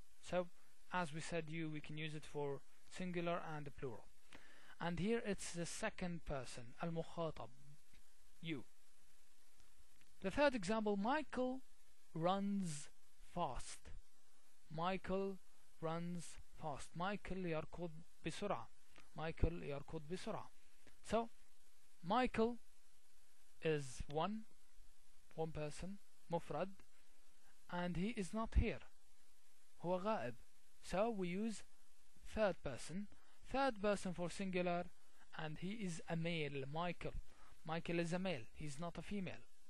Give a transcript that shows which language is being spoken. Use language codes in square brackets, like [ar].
[en] So as we said, we can use it for singular and plural. And here it's the second person, المخاطب, you. The third example, Michael runs fast. Michael runs fast. [ar] Michael يركض بسرعة. Michael يركض بسرعة. [en] So Michael is one person, مفرد, and he is not here. [ar] هو غائب. [en] So we use third person for singular, and he is a male. Michael is a male. He's not a female.